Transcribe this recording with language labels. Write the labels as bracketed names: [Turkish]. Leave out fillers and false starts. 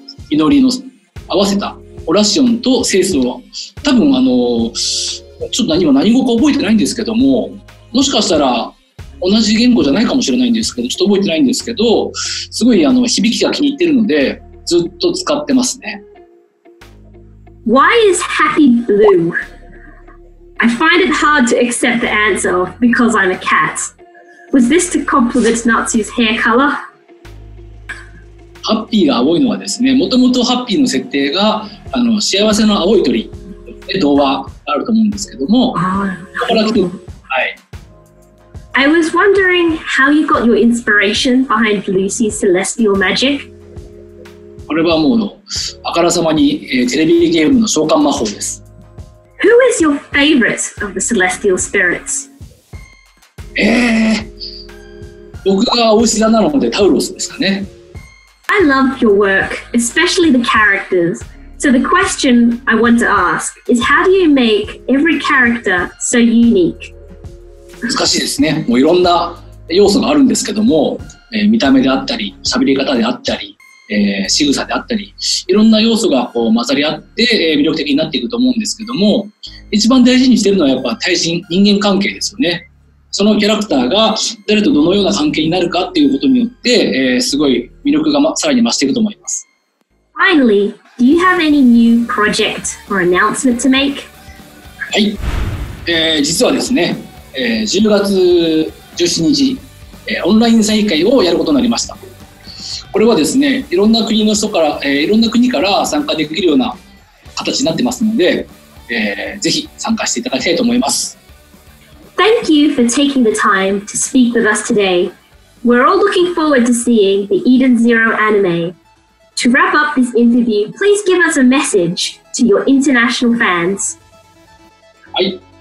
[Japanese] 祈りの合わせたオラシオンとセウスを、多分ちょっと何語か覚えてないんですけども、もしかしたら同じ言語じゃないかもしれないんですけど、ちょっと覚えてないんですけど、すごい響きが気に入ってるのでずっと使ってますね。 [English] Why is happy blue? I find it hard to accept the answer of because I'm a cat. Was this to compliment Natsu's hair color? [Japanese] ハッピーが青いのはですね、もともとハッピーの設定が幸せの青い鳥で童話あると思うんですけども、ここから来てはい。 [English] I was wondering how you got your inspiration behind Lucy's celestial magic? [Japanese] これはもう、あからさまに、テレビゲームの召喚魔法です。 [English] Who is your favorite of the celestial spirits? [Japanese] 僕がお牛座なのでタウロスですかね。 [English] I love your work, especially the characters. So the question I want to ask is how do you make every character so unique? [Japanese] 難しいですね。もういろんな要素があるんですけども、見た目であったり、喋り方であったり、仕草であったり、いろんな要素がこう混ざり合って、魅力的になっていくと思うんですけども、一番大事にしてるのはやっぱ対人、人間関係ですよね。そのキャラクターが誰とどのような関係になるかっていうことによって、すごい魅力が、さらに増していくと思います。 [English] Finally, do you have any new project or announcement to make? [Japanese] はい。実はですね、10月17日、オンライン参議会をやることになりました。これはですね、いろんな国の人から、いろんな国から参加できるような形になってますので、ぜひ参加していただきたいと思います。 [English] Thank you for taking the time to speak with us today. We're all looking forward to seeing the Eden Zero anime. To wrap up this interview, please give us a message to your international fans. [Japanese] はい。